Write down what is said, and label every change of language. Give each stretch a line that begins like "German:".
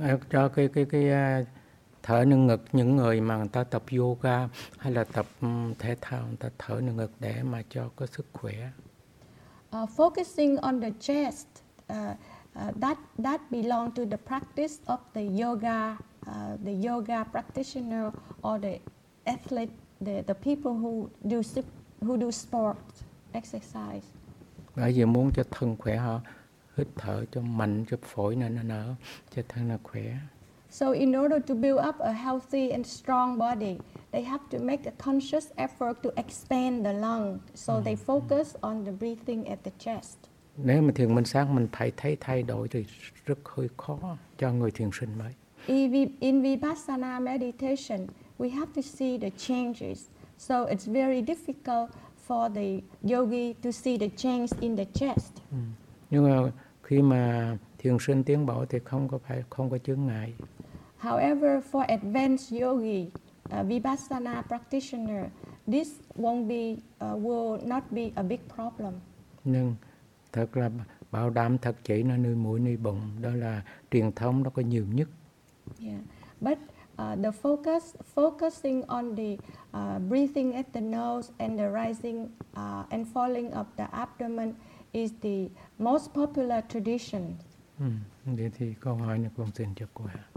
Vietnamese: Cho cái thở nơi ngực, những người mà người ta tập yoga hay là tập thể thao, người ta thở nơi ngực để mà cho có sức khỏe.
English: Focusing on the chest, that belong to the practice of the yoga practitioner or the athlete, the people who do sport exercise.
Vietnamese: Bởi vì muốn cho thân khỏe họ hít thở cho mạnh, cho phổi nó nở, cho thân nó khỏe.
English: So in order to build up a healthy and strong body, they have to make a conscious effort to expand the lung. So they focus on the breathing at the chest.
Vietnamese: Nếu mà thiền minh sát mình phải thấy thay đổi thì rất hơi khó cho người thiền sinh mới.
English: In Vipassana meditation, we have to see the changes. So it's very difficult for the yogi to see the change in the chest.
Vietnamese: Nhưng mà khi mà thiền sinh tiến bộ thì không có chướng ngại.
English: However, for advanced yogi, Vipassana practitioner, this will not be a big problem.
Vietnamese: Nhưng thật là bảo đảm thật chỉ nó nơi mũi nơi bụng, đó là truyền thống nó có nhiều nhất.
English: But the focusing on the breathing at the nose and the rising and falling of the abdomen is the most popular tradition.
Vietnamese: Vậy thì câu hỏi này con xin cho cô ạ.